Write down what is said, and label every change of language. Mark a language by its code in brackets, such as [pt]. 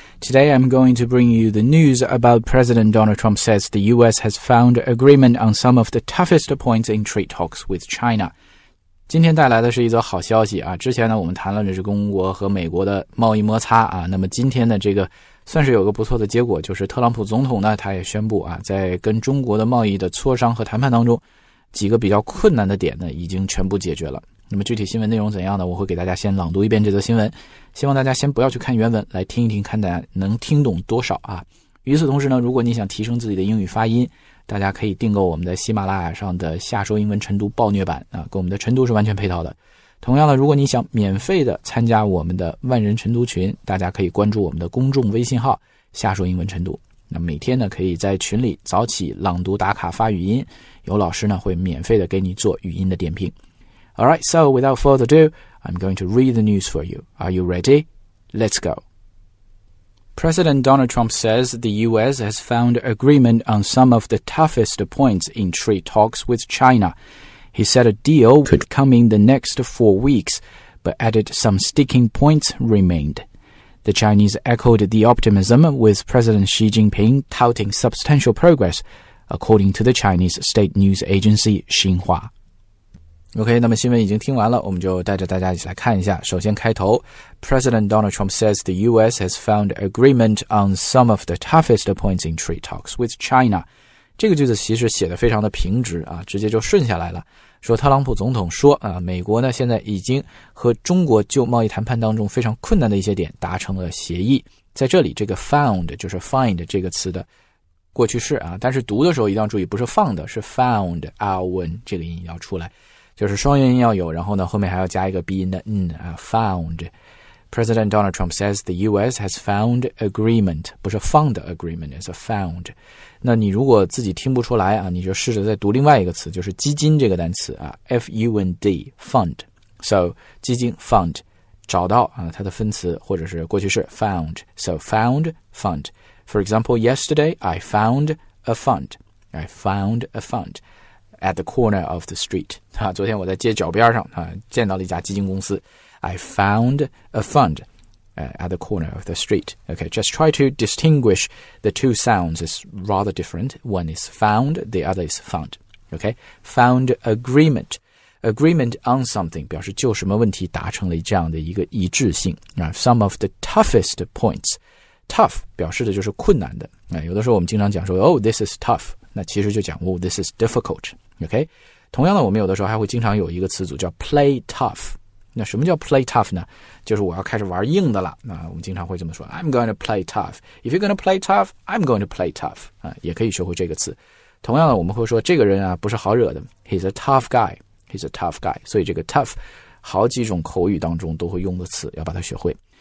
[en] Today I'm going to bring you the news about President Donald Trump says the US has found agreement on some of the toughest points in trade talks with China. [zh] 今天带来的是一则好消息啊！之前呢，我们谈论的是中国和美国的贸易摩擦啊。那么今天的这个算是有个不错的结果，就是特朗普总统呢，他也宣布啊，在跟中国的贸易的磋商和谈判当中，几个比较困难的点呢，已经全部解决了。那么具体新闻内容怎样呢？我会给大家先朗读一遍这则新闻，希望大家先不要去看原文，来听一听看大家能听懂多少啊。与此同时呢，如果你想提升自己的英语发音，大家可以订购我们的喜马拉雅上的夏说英文晨读暴虐版啊，跟我们的晨读是完全配套的。同样呢，如果你想免费的参加我们的万人晨读群，大家可以关注我们的公众微信号夏说英文晨读。那每天呢，可以在群里早起朗读打卡发语音，有老师呢会免费的给你做语音的点评。 [en] Alright, so without further ado, I'm going to read the news for you. Are you ready? Let's go. President Donald Trump says the US has found agreement on some of the toughest points in trade talks with China. He said a deal could come in the next 4 weeks, but added some sticking points remained. The Chinese echoed the optimism with President Xi Jinping touting substantial progress, according to the Chinese state news agency Xinhua. [zh] OK, 那么新闻已经听完了，我们就带着大家一起来看一下。首先开头 [en] President Donald Trump says the US has found agreement on some of the toughest points in trade talks with China. [zh] 这个句子其实写得非常的平直啊，直接就顺下来了。说特朗普总统说啊，美国呢现在已经和中国就贸易谈判当中非常困难的一些点达成了协议。在这里这个 found 就是 find 这个词的过去式啊，但是读的时候一定要注意，不是放的，是 found, R-O-N, 这个音要出来。就是双元音要有，然后呢后面还要加一个鼻音的嗯啊 found. [en] President Donald Trump says the US has found agreement, [zh] 不是 [en] found agreement, it's a found. [zh] 那你如果自己听不出来啊，你就试着再读另外一个词，就是基金这个单词啊 ,F-U-N-D, fund. So, 基金 fund, 找到啊它的分词或者是过去式 found. [en] So, found, fund. For example, yesterday I found a fund. I found a fund. At the corner of the street.、 [zh] 啊、昨天我在街角边上、啊、见到了一家基金公司。 [en] I found a fund、at the corner of the street. Okay, just try to distinguish the two sounds. It's rather different. One is found, the other is fund. Okay, found agreement. Agreement on something [zh] 表示就什么问题达成了这样的一个一致性、啊、 [en] Some of the toughest points. [zh] Tough 表示的就是困难的、啊、有的时候我们经常讲说 [en] Oh, this is tough. [zh] 那其实就讲 [en] Oh, this is difficult. [zh] OK, 同样的我们有的时候还会经常有一个词组叫 play tough, 那什么叫 play tough 呢，就是我要开始玩硬的了，那我们经常会这么说 [en] I'm going to play tough, [zh] if you're going to play tough, I'm going to play tough,、啊、也可以学会这个词，同样的我们会说这个人啊不是好惹的 [en] he's a tough guy, [zh] he's a tough guy, 所以这个 tough 好几种口语当中都会用的词要把它学会，